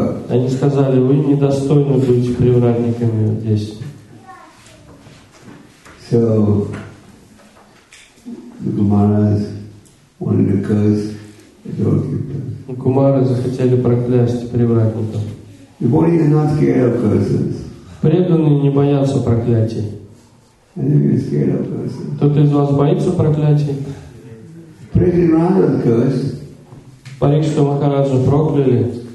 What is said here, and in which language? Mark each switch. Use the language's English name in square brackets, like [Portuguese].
[Russian] Они сказали, вы недостойны быть привратниками здесь. [English] So, the Kumaras wanted to curse the doorkeeper. [Russian] Кумары захотели проклясть привратника. [English] Devotees are not scared of curses. [Russian] Преданные не боятся проклятий. [English] And if you're scared of curses. [Russian] Кто-то из вас боится проклятий? [English] Preaching around the curse. [Russian] Парикшита Махараджа прокляли.